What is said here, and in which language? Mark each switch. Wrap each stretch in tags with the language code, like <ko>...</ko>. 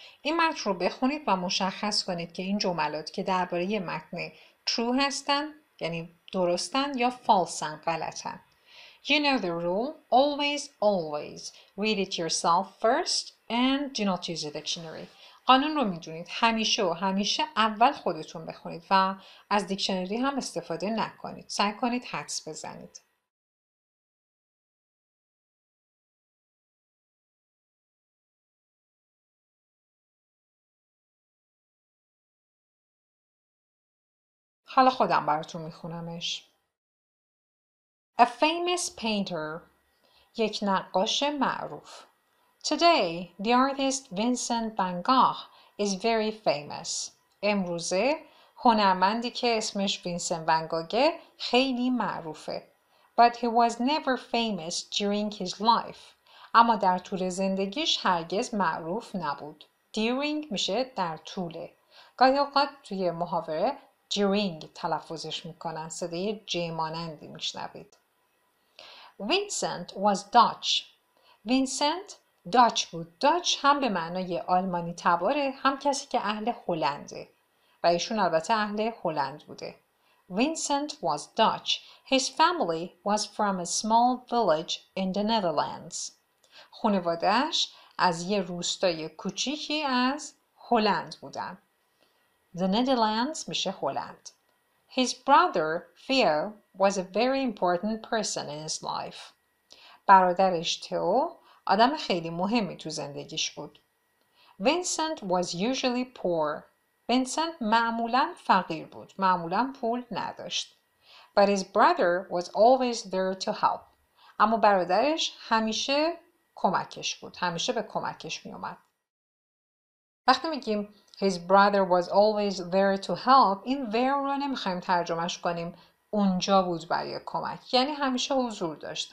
<fa>این متن رو بخونید و مشخص کنید که این جملات که درباره متن true هستن، یعنی درستن، یا false هستن، غلطن.</fa> <en>You know the rule. Always, always. Read it yourself first and do not use a dictionary.</en> <fa>قانون رو میدونید. همیشه و همیشه اول خودتون بخونید و از دیکشنری هم استفاده نکنید. سعی کنید حدس بزنید. حالا خودم براتون میخونمش.</fa> <en>A famous painter.</en> <fa>یک نقاش معروف.</fa> <en>Today, the artist Vincent van Gogh is very famous.</en> <fa>امروزه هنرمندی که اسمش وینسن ون گوگه خیلی معروفه.</fa> <en>But he was never famous during his life.</en> <fa>اما در طول زندگیش هرگز معروف نبود. During میشه در طول. گاهی اوقات توی محاوره during تلفظش میکنن، صدای جیمانندی میشنوید.</fa> <en>Vincent was Dutch. Vincent Dutch بود.</en> <fa>Dutch هم به معنای آلمانی تباره، هم کسی که اهل هلنده، و ایشون البته اهل هلند بوده.</fa> <en>Vincent was Dutch. His family was from a small village in the Netherlands.</en> <fa>خانوادهش از یه روستای کوچیکی از هلند بودن. The Netherlands میشه هلند.</fa> <en>His brother Theo was a very important person in his life.</en> <fa>برادرش تئو آدم خیلی مهمی تو زندگیش بود.</fa> <en>Vincent was usually poor.</en> <fa>Vincent معمولا فقیر بود. معمولا پول نداشت.</fa> <en>But his brother was always there to help.</en> <fa>اما برادرش همیشه کمکش بود. همیشه به کمکش می اومد. وقتی میگیم</fa> <en>His brother was always there to help.</en> <fa>این there رو نمیخوایم ترجمهش کنیم. اونجا بود برای کمک. یعنی همیشه حضور داشت.</fa>